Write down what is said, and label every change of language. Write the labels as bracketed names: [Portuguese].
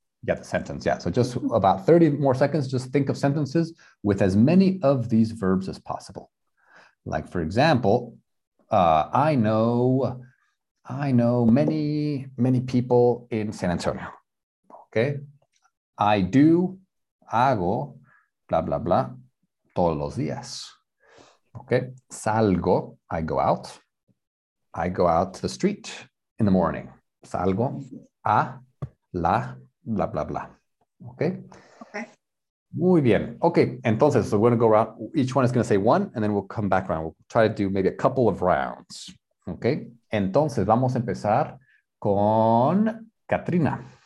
[English] Yeah, the sentence. Yeah, so just about 30 more seconds. Just think of sentences with as many of these verbs as possible. Like, for example, I know many, many people in San Antonio. Okay. I do, [Spanish] hago, blah, blah, blah, todos los días. [English] Okay. Salgo, I go out. I go out to the street in the morning. [Spanish] Salgo, a, la, blah, blah, blah. Okay. [English] Okay. [Spanish] Muy bien. [English] Okay. Entonces, so we're going to go around. Each one is going to say one, and then we'll come back around. We'll try to do maybe a couple of rounds. Okay. [Spanish] Entonces, vamos a empezar con Katrina.